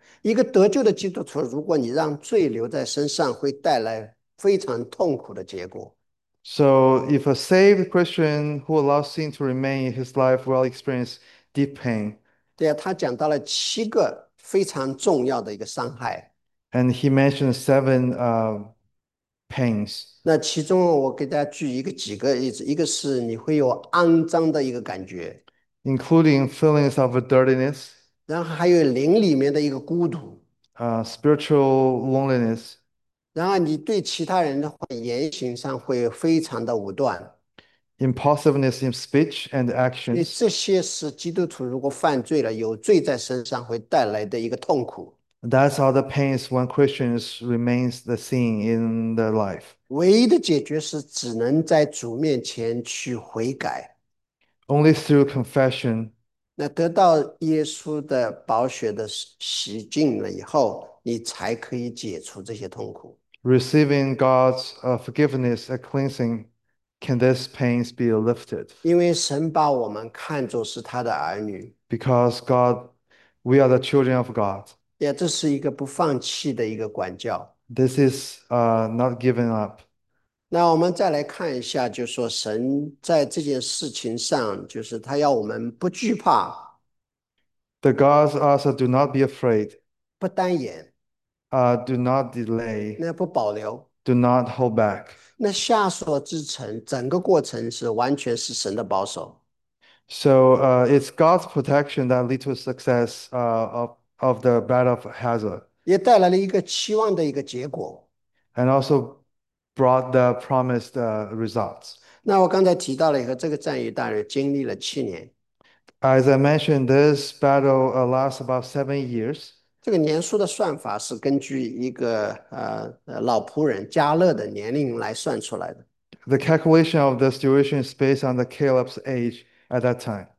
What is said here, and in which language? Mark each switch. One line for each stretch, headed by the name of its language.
Chinese: 一个得救的基督徒，如果你让罪留在身上，会带来非常痛苦的结果。
English: So if a saved Christian who allows sin to remain in his life will experience deep pain.
Chinese: 对呀，他讲到了七个非常重要的一个伤害。
English: And he mentioned seven pains.
Chinese: 那其中我给大家举一个几个例子，一个是你会有肮脏的一个感觉，
English: Including feelings of dirtiness,
Chinese: 然后还有灵里面的一个孤独，
English: spiritual loneliness,
Chinese: 然后你对其他人的话言行上会非常的武断。
English: impulsiveness in speech and
Chinese: 因为
English: actions。
Chinese: 这些是基督徒如果犯罪了，有罪在身上会带来的一个痛苦。
English: That's all the pains when Christians remains the same in their life.
Chinese: 唯一的解决是只能在主面前去悔改。
English: Only through confession.
Chinese: 那得到耶稣的宝血的洗净了以后，你才可以解除这些痛苦。
English: Receiving God's forgiveness, a cleansing, can these pains be lifted?
Chinese: 因为神把我们看作是他的儿女，
English: Because God, we are the children of God.
Chinese: 也这是一个不放弃的一个管教。
English: This is not giving up.
Chinese: 那我们再来看一下，就是说神在这件事情上，就是他要我们不惧怕、
English: The gods also do not be afraid.
Chinese: 不单言、
English: Do not delay.
Chinese: 那不保留。
English: Do not hold back.
Chinese: 那下所之城，整个过程是完全是神的保守。
English: It's God's protection that lead to success of the Battle of Hazor.
Chinese: 也带来了一个期望的一个结果。
English: And also brought the promised results.
Chinese: 那我刚才提到了以后，这个战役大约经历了7年。
English: As I mentioned, this battle lasts about 7 years.
Chinese: 这个年数的算法是根据一个老仆人加勒的年龄来算出来的。
English: The calculation of this duration is based on the Caleb's age at that time.